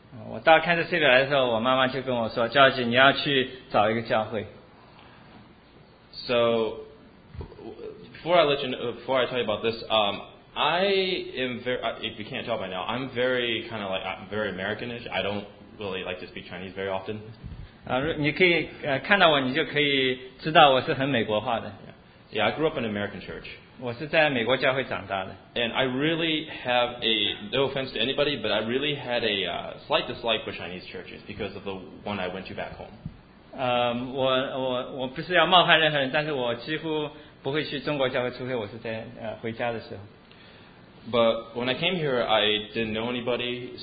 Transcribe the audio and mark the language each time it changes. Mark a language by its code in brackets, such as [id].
[zh] 我到 Kansas City 来的时候，我妈妈就跟我说 ，Josh， 你要去找一个教会。 [en] So before I tell you about this, I am very. If you can't tell by now, I'm very kind of like I'm very Americanish. I don't really like to speak Chinese very often. [zh] 你可以看到我，你就可以知道我是很美国化的。 [en] Yeah, I grew up in an American church. [zh] 我是在美国教会长大的。 [en] And I really have a, no offense to anybody, but I really had a slight dislike for Chinese churches because of the one I went to back home. [zh] 我不是要冒犯任何人，但是我几乎不会去中国教会，除非我是在回家的时候。 [en] But when I came here, I didn't know anybody.